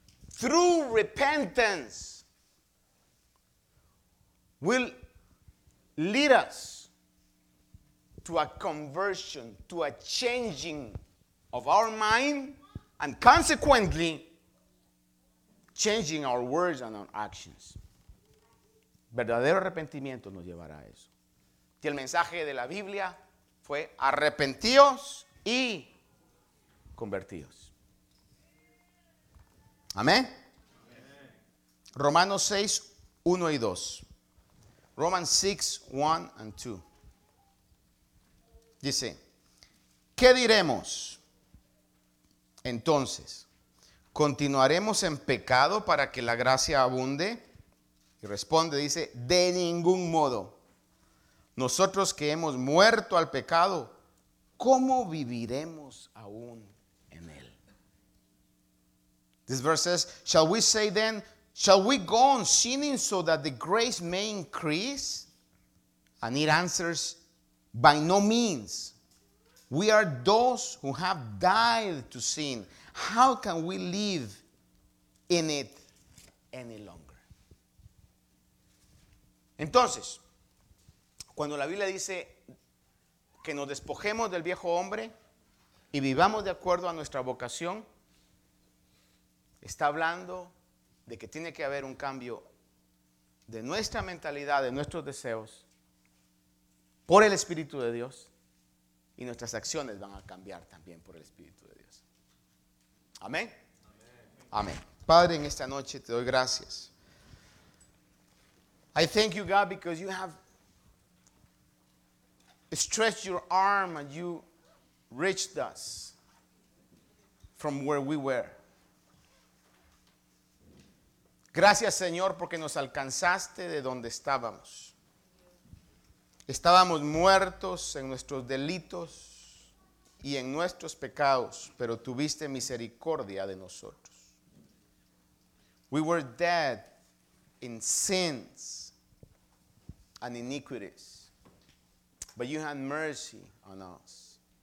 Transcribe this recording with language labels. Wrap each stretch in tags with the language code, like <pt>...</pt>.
<en>Through repentance will lead us to a conversion, to a changing of our mind, and consequently, changing our words and our actions.</en> <es>Verdadero arrepentimiento nos llevará a eso. Y el mensaje de la Biblia fue arrepentíos y convertíos. Amén. Romanos 6, 1 y 2.</es> <en>Romans 6, 1 and 2.</en> <es>Dice, ¿qué diremos? Entonces, ¿continuaremos en pecado para que la gracia abunde? Y responde, dice, de ningún modo. Nosotros que hemos muerto al pecado, ¿cómo viviremos aún en él?</es> <en>This verse says, shall we say then, shall we go on sinning so that the grace may increase? And it answers, by no means. We are those who have died to sin. How can we live in it any longer?</en> <es>Entonces, cuando la Biblia dice que nos despojemos del viejo hombre y vivamos de acuerdo a nuestra vocación, está hablando de que tiene que haber un cambio de nuestra mentalidad, de nuestros deseos, por el Espíritu de Dios. Y nuestras acciones van a cambiar también por el Espíritu de Dios. Amén. Amén. Padre, en esta noche te doy gracias.</es> <en>I thank you, God, because you have stretched your arm and you reached us from where we were.</en> <es>Gracias, Señor, porque nos alcanzaste de donde estábamos. Estábamos muertos en nuestros delitos y en nuestros pecados, pero tuviste misericordia de nosotros.</es> <en>We were dead in sins and iniquities, but you had mercy on us.</en>